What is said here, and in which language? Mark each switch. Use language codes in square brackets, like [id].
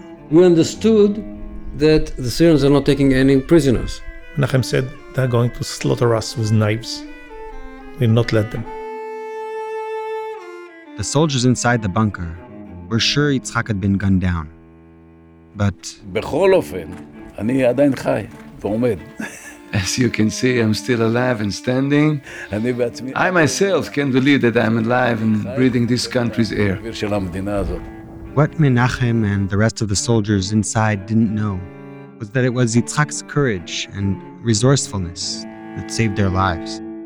[en] We understood that the Syrians are not taking any prisoners. Menachem said, "They're going to slaughter us with knives. We'll not let them." The soldiers inside the bunker were sure Yitzhak had been gunned down. But [he] בכל אופן, אני עדיין חי ועומד. [en] As you can see, I'm still alive and standing. I myself can't believe that I'm alive and breathing this country's air. What Menachem and the rest of the soldiers inside didn't know was that it was Yitzhak's courage and resourcefulness that saved their lives.